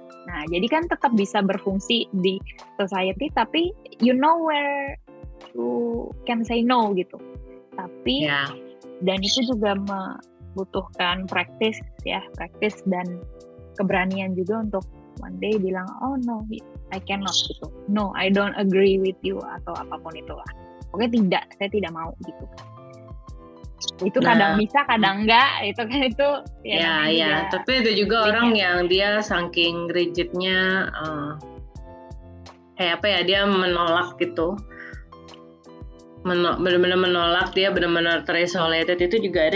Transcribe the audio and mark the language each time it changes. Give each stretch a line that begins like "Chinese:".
Indonesian: Nah, jadi kan tetap bisa berfungsi di society, tapi
English: you know where you can say no
Indonesian: gitu. Tapi dan itu juga membutuhkan praktis dan keberanian juga untuk one day bilang
English: oh no, I cannot
Indonesian: gitu.
English: No, I don't agree with you
Indonesian: atau apapun itulah. Oke, tidak, saya tidak mau gitu. Itu kadang bisa, kadang enggak, itu kan itu ya. Ya, tapi ada juga orang yang dia saking rigidnya kayak apa ya, dia menolak gitu. Benar-benar menolak, dia benar-benar terisolated, itu juga ada.